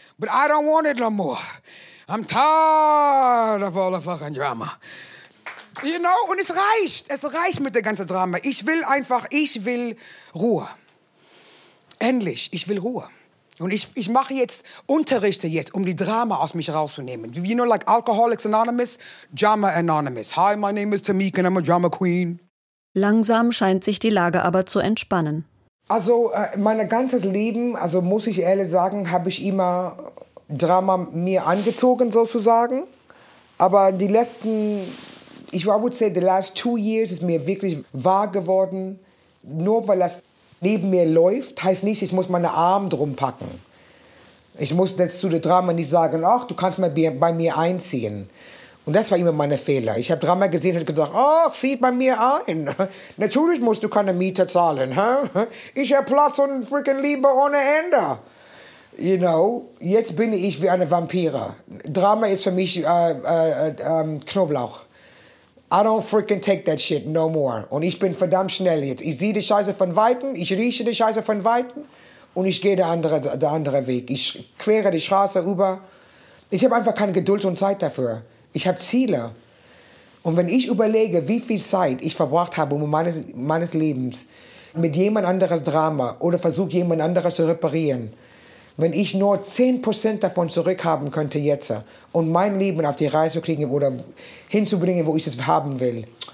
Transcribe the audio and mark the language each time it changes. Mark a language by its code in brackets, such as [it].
[en] But I don't want it no more. I'm tired of all the fucking drama. You know? [de] Und es reicht. Es reicht mit der ganzen Drama. Ich will einfach, ich will Ruhe. Endlich, ich will Ruhe. Und ich mache jetzt Unterrichte jetzt, um die Drama aus mich rauszunehmen. [en] You know, like Alcoholics Anonymous, Drama Anonymous. Hi, my name is Tamika and I'm a drama queen. [de] Langsam scheint sich die Lage aber zu entspannen. Also mein ganzes Leben, also muss ich ehrlich sagen, habe ich immer Drama mir angezogen sozusagen. Aber die letzten, ich würde sagen, [en] the last two years [de] ist mir wirklich wahr geworden. Nur weil das neben mir läuft, heißt nicht, ich muss meine Arme drum packen. Ich muss jetzt zu dem Drama nicht sagen, ach, du kannst mal bei mir einziehen. Und das war immer mein Fehler. Ich habe Drama gesehen und gesagt, ach, zieh bei mir ein. Natürlich musst du keine Miete zahlen. Hä? Ich habe Platz und freaking Liebe ohne Ende. [en] You know, [de] jetzt bin ich wie eine Vampire. Drama ist für mich Knoblauch. [en] I don't freaking take that shit no more. [de] Und ich bin verdammt schnell jetzt. Ich sehe die Scheiße von Weitem, ich rieche die Scheiße von Weitem und ich gehe der andere Weg. Ich quere die Straße über. Ich habe einfach keine Geduld und Zeit dafür. Ich habe Ziele. Und wenn ich überlege, wie viel Zeit ich verbracht habe meines Lebens mit jemand anderes Drama oder versuche, jemand anderes zu reparieren, wenn ich nur 10% davon zurückhaben könnte jetzt und mein Leben auf die Reise kriegen oder hinzubringen, wo ich es haben will.